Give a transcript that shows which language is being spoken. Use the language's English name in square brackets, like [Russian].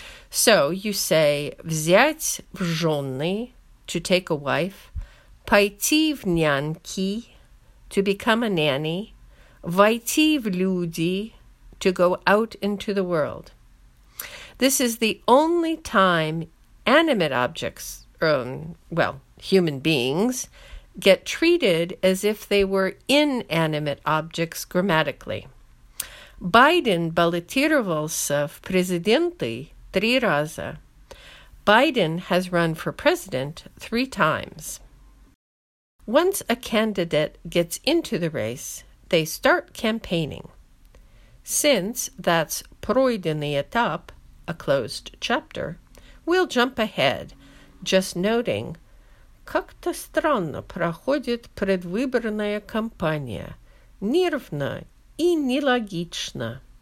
[English] So you say, [Russian] взять в жены, [English] to take a wife, [Russian] пойти в няньки, [English] to become a nanny, [Russian] войти в люди, [English] to go out into the world. This is the only time animate objects, human beings, get treated as if they were inanimate objects grammatically. [Russian] Biden баллотировался в президенты три раза. [English] Biden has run for president three times. Once a candidate gets into the race, they start campaigning. Since that's [Russian] пройденный этап, [English] a closed chapter, we'll jump ahead, just noting, [Russian] как-то странно проходит предвыборная кампания, нервно и нелогично.